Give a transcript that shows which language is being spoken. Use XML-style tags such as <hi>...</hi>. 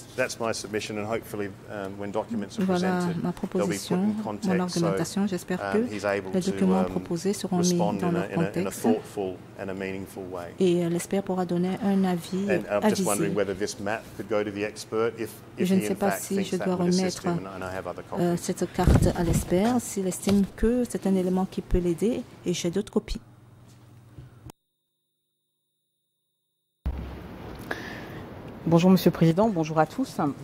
<en>That's my submission, and hopefully when documents are voilà presented,</en> <fr>ma proposition,</fr> <en>they'll be put in context,</en> <fr>mon argumentation, j'espère que les documents proposés seront mis dans leur contexte.</fr> <en>In a thoughtful and a meaningful way.</en> <fr>Et l'expert pourra donner un avis avisé.</fr> <en>I'm just wondering whether this map could go to the expert if</en> <fr>je ne sais pas si je dois remettre cette carte à l'expert s'il estime que c'est un élément qui peut l'aider, et j'ai d'autres copies. Bonjour Monsieur le Président, bonjour à tous.</fr>